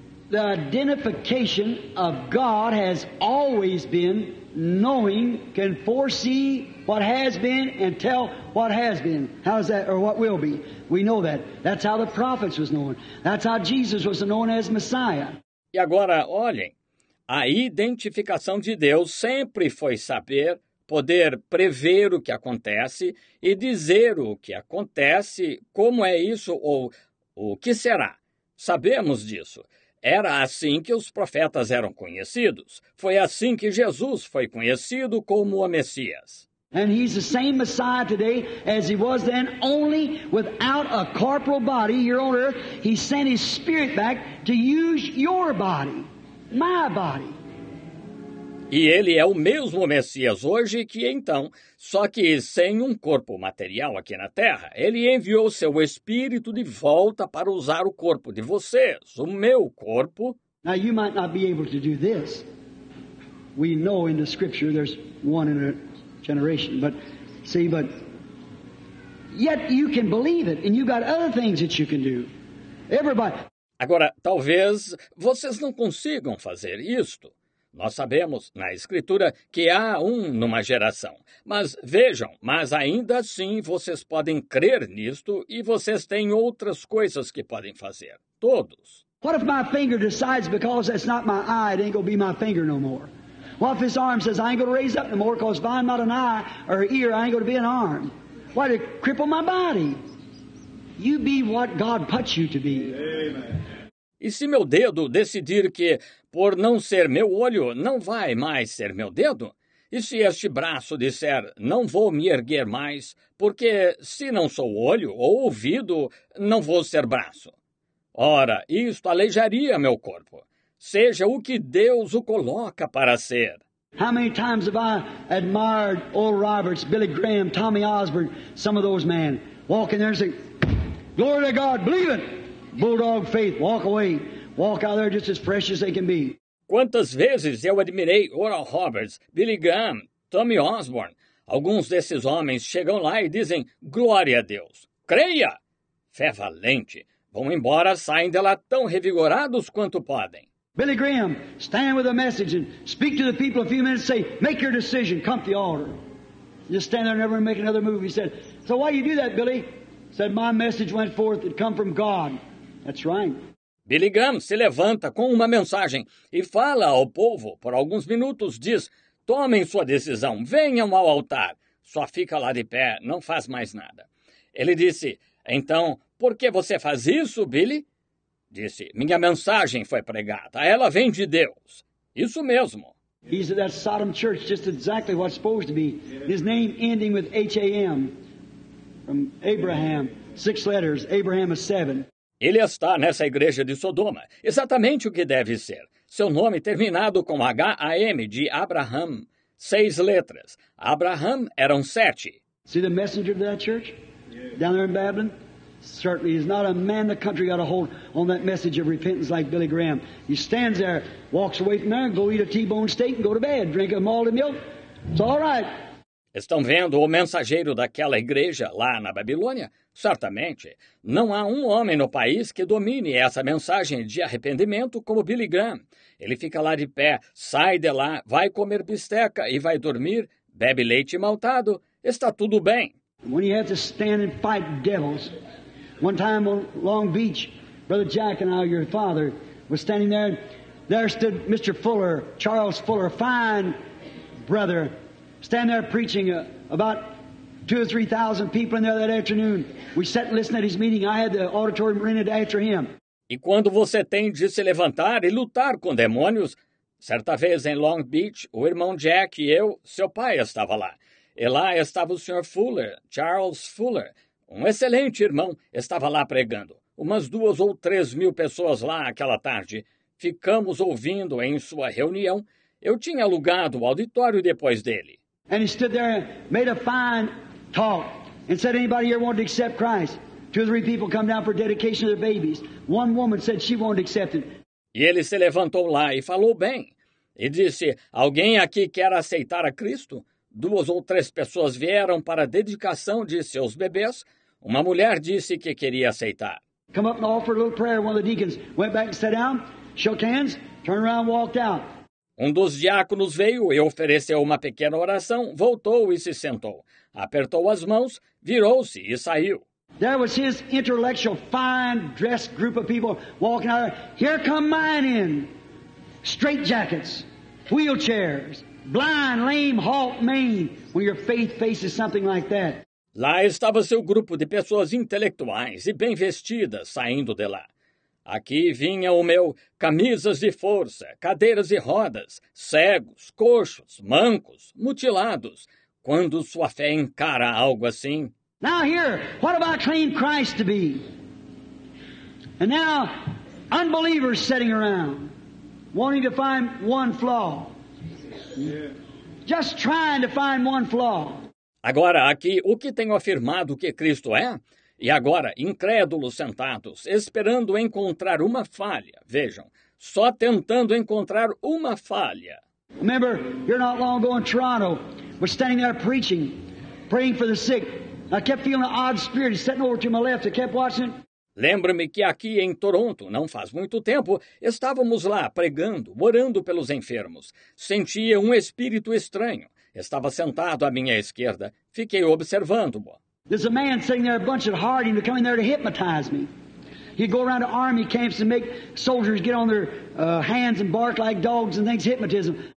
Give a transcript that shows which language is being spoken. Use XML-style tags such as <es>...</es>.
<en>The identification of God has always been knowing can foresee what has been and tell what has been. How's that? Or what will be. We know that. That's how the prophets was known. That's how Jesus was known as Messiah.</en> <pt>E agora, olhem, a identificação de Deus sempre foi saber, poder prever o que acontece e dizer o que acontece, como é isso ou o que será. Sabemos disso. Era assim que os profetas eram conhecidos. Foi assim que Jesus foi conhecido como o Messias.</pt> <en>And he's the same Messiah today as he was then, only without a corporal body here on earth. He sent his spirit back to use your body, my body.</en> <pt>E ele é o mesmo Messias hoje que então, só que sem um corpo material aqui na Terra. Ele enviou seu Espírito de volta para usar o corpo de vocês, o meu corpo.</pt> <en>Now you might not be able to do this. We know in the Scripture there's one in a generation, but see, but yet you can believe it, and you got other things that you can do. Everybody.</en> <pt>Agora, talvez vocês não consigam fazer isto. Nós sabemos, na Escritura, que há um numa geração. Mas vejam, mas ainda assim vocês podem crer nisto e vocês têm outras coisas que podem fazer. Todos.</pt> <en>What if my finger decides because that's not my eye, it ain't gonna be my finger no more? What if his arm says I ain't gonna raise up no more because if I'm not an eye or an ear, I ain't gonna be an arm? Why did it cripple my body? You be what God puts you to be. Amen.</en> <pt>E se meu dedo decidir que, por não ser meu olho, não vai mais ser meu dedo? E se este braço disser, não vou me erguer mais, porque se não sou olho ou ouvido, não vou ser braço? Ora, isto aleijaria meu corpo. Seja o que Deus o coloca para ser.</pt> <en>How many times have I admired Oral Roberts, Billy Graham, Tommy Osborne, some of those men, walking there and saying, glory to God, believe it, bulldog faith, walk away. Walk out there just as fresh as they can be.</en> <pt>Quantas vezes eu admirei Oral Roberts, Billy Graham, Tommy Osborne. Alguns desses homens chegam lá e dizem, glória a Deus, creia! Fé valente. Vão embora, saem dela tão revigorados quanto podem.</pt> <en>Billy Graham, stand with a message and speak to the people a few minutes and say, make your decision, come to the altar. Just stand there and never make another move. He said, so why you do that, Billy? He said, my message went forth, it come from God. That's right.</en> <pt>Billy Graham se levanta com uma mensagem e fala ao povo por alguns minutos, diz, tomem sua decisão, venham ao altar. Só fica lá de pé, não faz mais nada. Ele disse, então, por que você faz isso, Billy? Disse, minha mensagem foi pregada, ela vem de Deus. Isso mesmo.</pt> <en>He's at that Sodom church, just exactly what it's supposed to be. His name ending with H-A-M, from Abraham, six letters, Abraham is seven.</en> <pt>Ele está nessa igreja de Sodoma, exatamente o que deve ser. Seu nome terminado com H-A-M de Abraham, seis letras. Abraham eram sete.</pt> <en>See the messenger of that church? Down there in Babylon? Certainly he's not a man the country got a hold on that message of repentance like Billy Graham. He stands there, walks away from there, go eat a T-bone steak and go to bed, drink a malted milk. It's all right.</en> <pt>Estão vendo o mensageiro daquela igreja lá na Babilônia? Certamente. Não há um homem no país que domine essa mensagem de arrependimento como Billy Graham. Ele fica lá de pé, sai de lá, vai comer bisteca e vai dormir, bebe leite maltado. Está tudo bem.</pt> <en>When you have to stand and fight devils. One time on Long Beach, Brother Jack and I, your father, was standing there. There stood Mr. Fuller, Charles Fuller, fine brother. Stand there preaching about 2,000 or 3,000 people in there that afternoon. We sat listening at his meeting. I had the auditorium rented after him.</en> <pt>E quando você tem de se levantar e lutar com demônios, certa vez em Long Beach, o irmão Jack e eu, seu pai estava lá. E lá estava o Sr. Fuller, Charles Fuller, um excelente irmão, estava lá pregando. Umas 2,000</pt> <en>or</en> <pt>3,000 pessoas lá aquela tarde. Ficamos ouvindo em sua reunião. Eu tinha alugado o auditório depois dele.</pt> <en>And he stood there and made a fine talk and said, anybody here want to accept Christ? 2 or 3 people come down for dedication of their babies. One woman said she wanted to accept it.</en> <pt>E ele se levantou lá e falou bem. E disse, alguém aqui quer aceitar a Cristo? 2</pt> <en>or</en> <pt>3 pessoas vieram para a dedicação de seus bebês. Uma mulher disse que queria aceitar.</pt> <en>Come up and offer a little prayer. One of the deacons went back and sat down, shook hands, turned around and walked out.</en> <pt>Um dos diáconos veio e ofereceu uma pequena oração, voltou e se sentou. Apertou as mãos, virou-se e saiu.</pt> <en>There was his intellectual, fine-dressed group of people walking out there. Here come mine in. Straight jackets, wheelchairs, blind, lame, halt, maimed. When your faith faces something like that.</en> <pt>Lá estava seu grupo de pessoas intelectuais e bem vestidas saindo de lá. Aqui vinha o meu, camisas de força, cadeiras e rodas, cegos, coxos, mancos, mutilados. Quando sua fé encara algo assim.</pt> <en>Now here, what have I claimed Christ to be? And now, unbelievers sitting around, wanting to find one flaw. Just trying to find one flaw.</en> <pt>Agora aqui, o que tenho afirmado que Cristo é? E agora, incrédulos sentados, esperando encontrar uma falha. Vejam, só tentando encontrar uma falha.</pt> <en>Remember, you're not long ago in Toronto. We're standing there preaching, praying for the sick. I kept feeling an odd spirit sitting over to my left. I kept watching.</en> <pt>Lembra-me que aqui em Toronto, não faz muito tempo, estávamos lá pregando, orando pelos enfermos. Sentia um espírito estranho. Estava sentado à minha esquerda. Fiquei observando-o.</pt> <en>There's a man sitting there, a bunch of hardy, coming there to hypnotize me. He'd go around to army camps and make soldiers get on their hands and bark like dogs and things, hypnotism.</en>